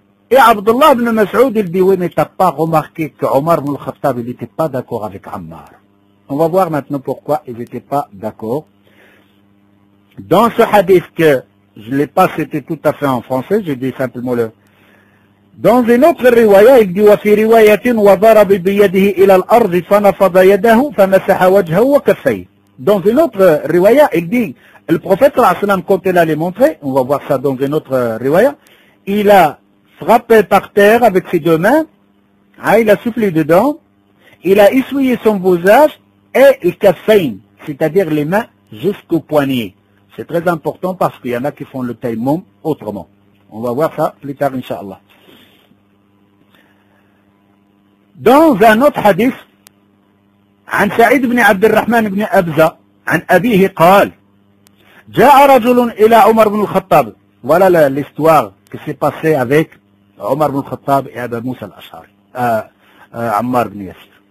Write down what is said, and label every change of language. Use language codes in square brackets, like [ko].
[fr] Et Abdullah ibn Mas'ud, il dit, oui, mais t'as pas remarqué que Omar ibn al-Khattab, il n'était pas d'accord avec Ammar. On va voir maintenant pourquoi il n'était pas d'accord. Dans ce hadith que je ne l'ai pas cité tout à fait en français, je dis simplement le. Dans une autre riwaya, il dit, [ar] وَفِي رِوَيَةٍ وَضَرَبِ بِيَدِهِ إِلَى الْأَرْضِ فَنَفَضَ يَدَهُ فَمَسَحَ وَجْهَهُ وَكَفَّيْهِ. [fr] Dans une autre riwaya, il dit, le prophète, quand il allait montrer, on va voir ça dans une autre riwaya, il a frappé par terre avec ses deux mains, hein, il a soufflé dedans, il a essuyé son visage et il kaffayn, c'est-à-dire les mains jusqu'au poignet. C'est très important parce qu'il y en a qui font le taïmoum autrement. On va voir ça plus tard, Inch'Allah. Dans un autre hadith, [ar] عن سعيد بن عبد الرحمن بن أبزة عن أبيه قال جاء رجل إلى عمر بن الخطاب ولا لا الاستوار كي سي باسي افيك عمر بن الخطاب يا ابا موسى الاشعري عمار بن ياسر